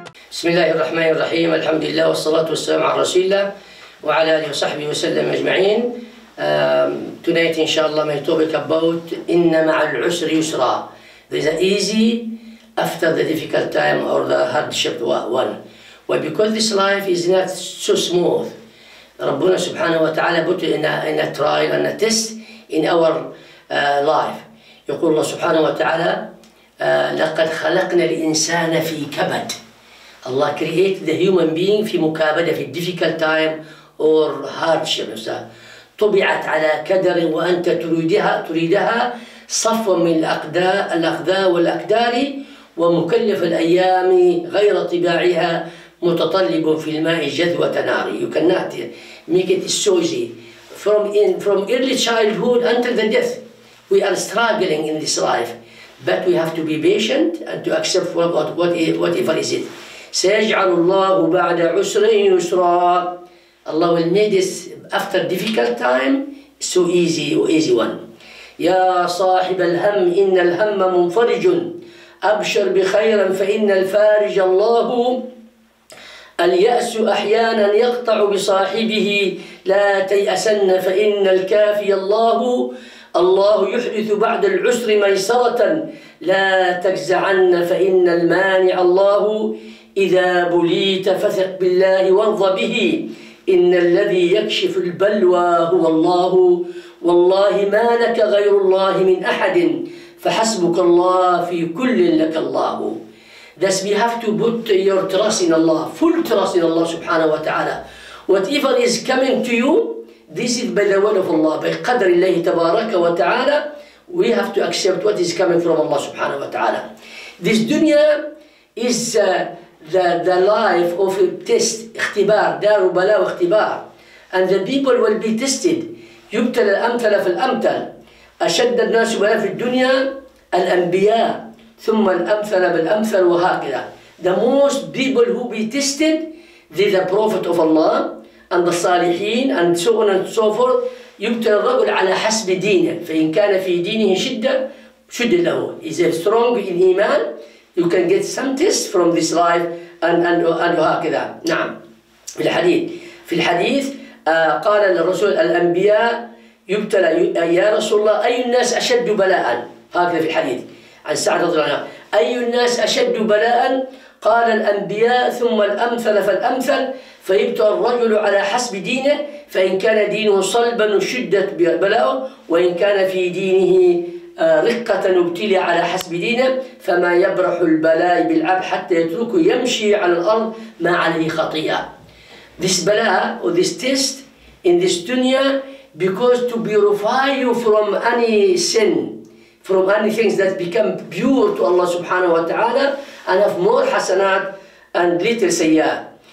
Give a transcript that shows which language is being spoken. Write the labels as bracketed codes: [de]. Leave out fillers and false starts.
[ar] بسم الله الرحمن الرحيم، الحمد لله والصلاة والسلام على رسول الله وعلى آله وصحبه وسلم أجمعين. [en] Tonight, inshallah, my topic about [ar] إِنَّ مَعَ الْعُسْرِ يُسْرًا. [en] There is an easy after the difficult time or the hardship one. Well, because this life is not so smooth, ربنا سبحانه وتعالى put in a trial and a test in our life. [ar] يقول الله سبحانه وتعالى لقد خلقنا الإنسان في كبد. [en] Allah created the human being [ar] في مكابدة في [en] difficult time or hardship. [ar] طبعت على كدر وأنت تريدها صفوا من الأقداء والأقدار ومكلف الأيام غير طباعها متطلب في الماء جذوة ناري. [en] You cannot make it so easy. From early childhood until the death, we are struggling in this life. But we have to be patient and to accept whatever is it. [ar] سيجعل الله بعد عسر يسرا. [en] Allah will make this after difficult time so easy, easy one. [ar] يا صاحب الهم إن الهم منفرج أبشر بخيرا فإن الفارج الله. اليأس أحيانا يقطع بصاحبه لا تيأسن فإن الكافي الله. الله يحدث بعد العسر ميسرة لا تجزعن فإن المانع الله. إذا بليت فثق بالله وارض به إن الذي يكشف البلوى هو الله. والله ما لك غير الله من أحد فحسبك الله في كل لك الله. [en] Thus we have to put your trust in Allah, full trust in Allah سبحانه وتعالى. Whatever is coming to you, this is by the will of Allah, by [ar] قدر الله تبارك وتعالى. [en] We have to accept what is coming from Allah سبحانه وتعالى. This dunya is the life of a test, [ar] اختبار, دار بلاء واختبار. [en] And the people will be tested. [ar] يبتلى الأمثل في الأمثل. أشد الناس بلاء في الدنيا الأنبياء ثم الأمثل بالأمثل وهكذا. [en] The most people who be tested, they're the prophet of Allah and the صالحين and so on and so forth. [ar] يبتلى الرجل على حسب دينه. فإن كان في دينه شدة شد له. [en] Is it strong in إيمان? You can get some test from this life and هكذا. [ar] نعم. في الحديث. في الحديث قال الرسول الأنبياء يبتلى يا رسول الله أي الناس أشد بلاء؟ هكذا في الحديث. عن سعد رضي الله عنه أي الناس أشد بلاء؟ قال الأنبياء ثم الأمثل فالأمثل. فيبتلى الرجل على حسب دينه فإن كان دينه صلبا شدت بلاؤه وإن كان في دينه رقة ابتلي على حسب دينه فما يبرح البلاء بالعبد حتى يتركه يمشي على الأرض ما عليه خطيئة. [en] This بلاء or this test in this dunya because to purify you from any sin, from any things that become pure to Allah subhanahu wa ta'ala and have more حسنات and little سيئات.